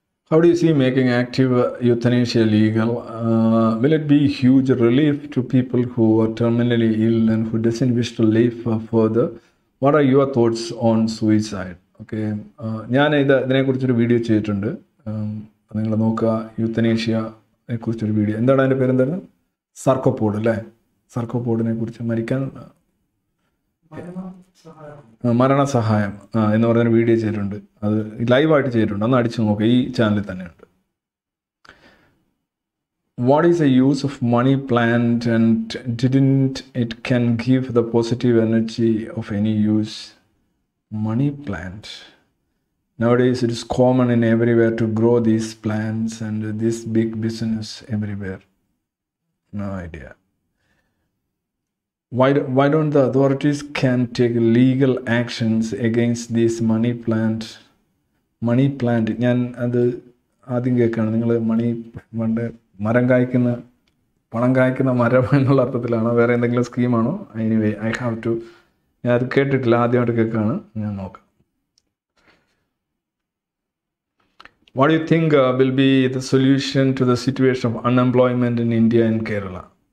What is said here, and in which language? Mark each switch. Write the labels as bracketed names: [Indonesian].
[English] How do you see making active euthanasia legal? Will it be a huge relief to people who are terminally ill and who doesn't wish to live further? What are your thoughts on suicide? Okay. [Malayalam] ഞാൻ ഇതിനെക്കുറിച്ചൊരു video ചെയ്തിട്ടുണ്ട്. നിങ്ങൾ നോക്കുക, യൂത്തനേഷ്യയെ കുറിച്ചൊരു video. എന്താണ് അതിൻ്റെ പേര്? എന്തായിരുന്നു? സർക്കോപോഡ് അല്ലേ? സർക്കോപോഡിനെ കുറിച്ച് മരിക്കാൻ മരണസഹായം എന്ന് പറഞ്ഞൊരു വീഡിയോ ചെയ്തിട്ടുണ്ട്. അത് ലൈവായിട്ട് ചെയ്തിട്ടുണ്ട്. അന്ന് അടിച്ചു നോക്കുക, ഈ ചാനലിൽ തന്നെയുണ്ട്. [English] What is a use of money plant and didn't it can give the positive energy of any use? Money plant nowadays it is common in everywhere to grow these plants and these big business everywhere. No idea. Why don't the authorities can take legal actions against this money plant? [Malayalam] Money plant, ഞാൻ അത് ആദ്യം കേൾക്കുകയാണ്. നിങ്ങൾ മണി പണ്ട് മരം കായ്ക്കുന്ന പണം കായ്ക്കുന്ന മരം എന്നുള്ള അർത്ഥത്തിലാണോ, വേറെ എന്തെങ്കിലും സ്കീമാണോ? [English] anyway, I have to, [Malayalam] ഞാൻ അത് കേട്ടിട്ടില്ല, ആദ്യമായിട്ട് കേൾക്കുകയാണ്. ഞാൻ നോക്കാം. [English] What do you think will be the solution to the situation of unemployment in India and Kerala?